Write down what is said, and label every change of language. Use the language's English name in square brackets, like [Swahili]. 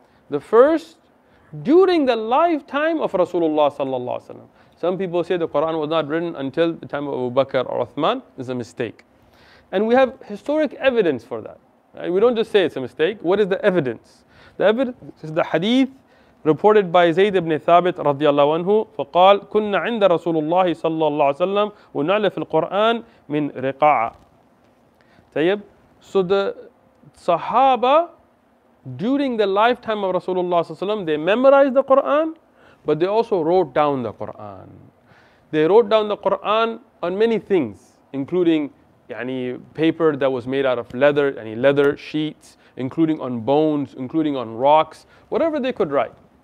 [English] The first, during the lifetime of Rasulullah [Arabic] sallallahu alayhi wa sallam. [English] Some people say the Qur'an was not written until the time of Abu Bakr or Uthman. It's a mistake. And we have historic evidence for that. Right? We don't just say it's a mistake. What is the evidence? The evidence is the hadith reported by Zayd ibn Thabit [Arabic] radiallahu anhu. فقال كنا عند رسول الله صلى الله عليه وسلم ونعلف القرآن من رقاعة. [English] So the Sahaba, during the lifetime of Rasulullah [Arabic] صلى الله عليه وسلم, [English] they memorized the Qur'an. But they also wrote down the Qur'an. They wrote down the Qur'an on many things, including يعني paper that was made out of leather, any leather sheets, including on bones, including on rocks, whatever they could write.